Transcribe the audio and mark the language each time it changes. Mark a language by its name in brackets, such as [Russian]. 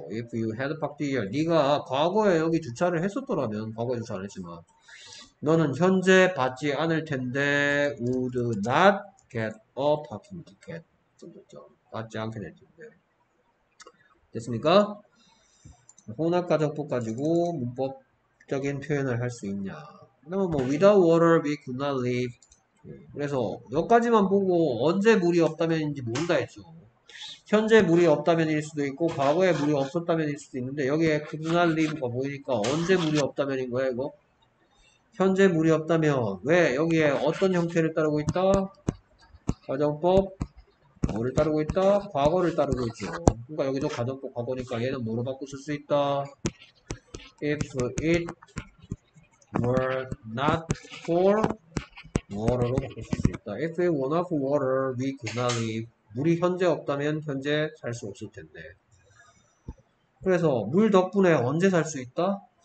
[English] if you had parked here [Korean] 네가 과거에 여기 주차를 했었더라면 과거에 주차 안 했지만 너는 현재 받지 않을 텐데 [English] would not get a parking ticket [Korean] 점점점 받지 않게 될 텐데 됐습니까? 혼합가정법 가지고 문법적인 표현을 할수 있냐. 그러면 뭐 [English] without water we could not live. [Korean] 그래서 여기까지만 보고 언제 물이 없다면인지 모른다 했죠. 현재 물이 없다면일 수도 있고 과거에 물이 없었다면일 수도 있는데 여기에 [English] could not live [Korean] 가 보이니까 언제 물이 없다면인 거야 이거? 현재 물이 없다면 왜 여기에 어떤 형태를 따르고 있다? 가정법 뭐를 따르고 있다? 과거를 따르고 있죠. 그러니까 여기도 가정법 과거니까 얘는 뭐로 바꿀 수 있다? [English] If it were not for water로 [Korean] 바꿀 수 있다. [English] If it were not for water, we could not live. [Korean] 물이 현재 없다면 현재 살수 없을 텐데. 그래서 물 덕분에 언제 살수 있다?